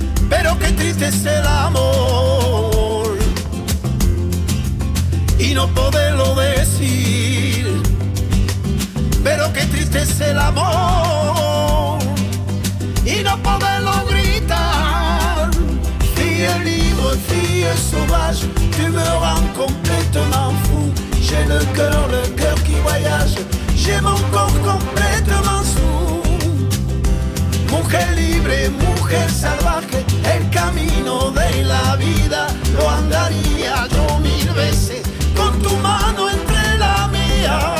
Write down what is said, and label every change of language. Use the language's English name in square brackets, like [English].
[Spanish] Pero qué triste es el amor y no poderlo decir. Pero qué triste es el amor y no poderlo gritar. [French] Fille libre, fille sauvage, tu me rends complètement fou. J'ai le cœur qui voyage, j'ai mon corps complètement sous. [Spanish] Mujer libre, mujer salvaje, el camino de la vida lo andaría yo mil veces con tu mano entre la mía.